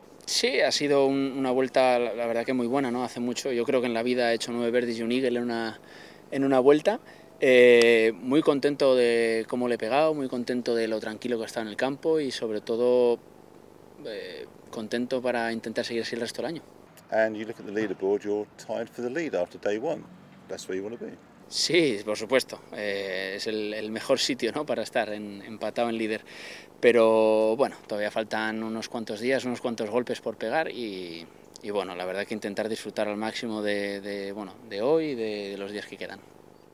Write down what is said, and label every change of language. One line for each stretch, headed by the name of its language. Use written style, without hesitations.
Spanish: Sí, ha sido una vuelta, la verdad que muy buena, ¿no? Hace mucho, yo creo que en la vida he hecho 9 birdies y un eagle en una vuelta. Muy contento de cómo le he pegado, muy contento de lo tranquilo que está en el campo y sobre todo contento para intentar seguir así el resto del año.
English: And you look at the leaderboard, you're tied for the lead after day one. That's where you want to be.
Spanish: Sí, por supuesto. Es el mejor sitio, ¿no?, para estar empatado en líder. Pero bueno, todavía faltan unos cuantos días, unos cuantos golpes por pegar y bueno, la verdad que intentar disfrutar al máximo de hoy y de los días que quedan.